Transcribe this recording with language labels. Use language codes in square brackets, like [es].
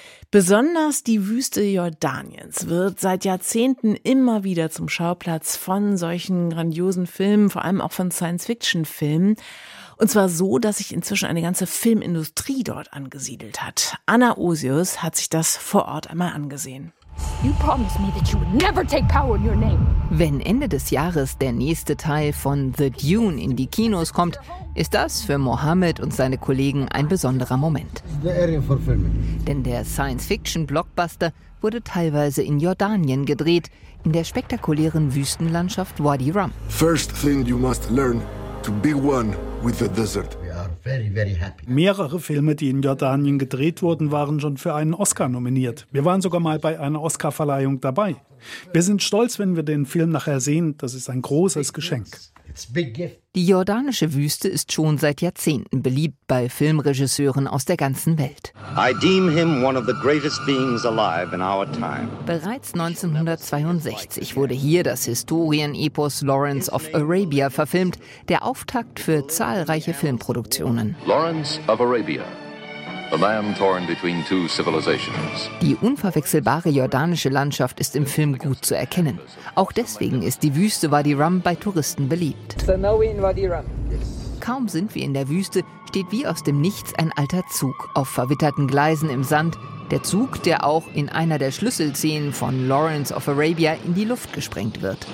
[de] Besonders die Wüste Jordaniens wird seit Jahrzehnten immer wieder zum Schauplatz von solchen grandiosen Filmen, vor allem auch von Science-Fiction-Filmen. Und zwar so, dass sich inzwischen eine ganze Filmindustrie dort angesiedelt hat. Anna Osius hat sich das vor Ort einmal angesehen. [en] You promised me that you would never take power in your name. [de] Wenn Ende des Jahres der nächste Teil von The Dune in die Kinos kommt, ist das für Mohammed und seine Kollegen ein besonderer Moment. [en] The area for filming. [de] Denn der Science-Fiction-Blockbuster wurde teilweise in Jordanien gedreht, in der spektakulären Wüstenlandschaft Wadi Rum. [en] First thing you must learn to be one with the desert. Very, very happy. [de] Mehrere Filme, die in Jordanien gedreht wurden, waren schon für einen Oscar nominiert. Wir waren sogar mal bei einer Oscar-Verleihung dabei. Wir sind stolz, wenn wir den Film nachher sehen. Das ist ein großes Geschenk. Die jordanische Wüste ist schon seit Jahrzehnten beliebt bei Filmregisseuren aus der ganzen Welt. [en] I deem him one of the greatest beings alive in our time. [de] Bereits 1962 wurde hier das Historienepos Lawrence of Arabia verfilmt, der Auftakt für zahlreiche Filmproduktionen. [en] Lawrence of Arabia. A man torn between two civilizations. [de] Die unverwechselbare jordanische Landschaft ist im Film gut zu erkennen. Auch deswegen ist die Wüste Wadi Rum bei Touristen beliebt. Kaum sind wir in der Wüste, steht wie aus dem Nichts ein alter Zug auf verwitterten Gleisen im Sand. Der Zug, der auch in einer der Schlüsselszenen von Lawrence of Arabia in die Luft gesprengt wird.